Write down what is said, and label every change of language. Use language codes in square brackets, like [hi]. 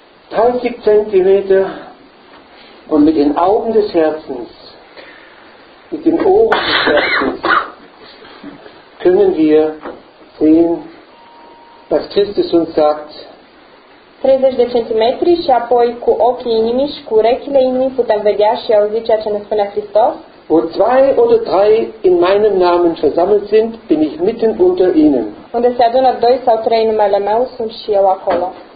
[de] 30 cm und mit den Augen des Herzens, mit den Ohren des Herzens, können wir sehen, was Christus uns sagt. [ro] 30 de centimetri și apoi cu ochii inimii și cu urechile inimii putem vedea și auzi ceea ce ne spune Hristos. [de] Wo zwei oder drei in meinem Namen versammelt sind, bin ich mitten unter ihnen. [ro] Unde se adună doi sau trei în numele meu, sunt și eu acolo.